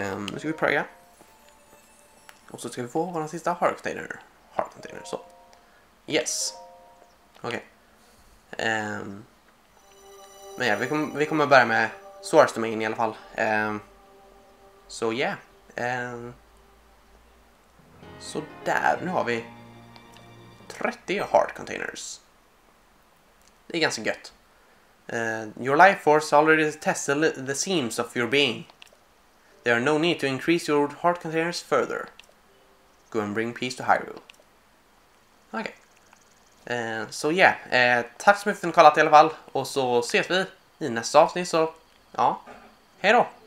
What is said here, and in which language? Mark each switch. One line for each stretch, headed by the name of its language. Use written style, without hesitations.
Swedish: Nu ska vi pröga. Och så ska vi få vår sista Heart Container, så.
English: Yes.
Swedish: Okej.
English: Okay.
Swedish: Men ja, vi kommer börja med Swords Domain i alla fall. Så
English: yeah.
Swedish: Så där, nu har vi 30 heart containers. Det är ganska gött.
English: Your life force already tests the seams of your being. There are no need to increase your heart containers further. Go and bring peace to Hyrule.
Swedish: Okej.
English: Okay.
Swedish: Så
English: yeah.
Swedish: Tack så mycket för att ni kollat i alla fall. Och så ses vi i nästa avsnitt. Så ja. Hej då.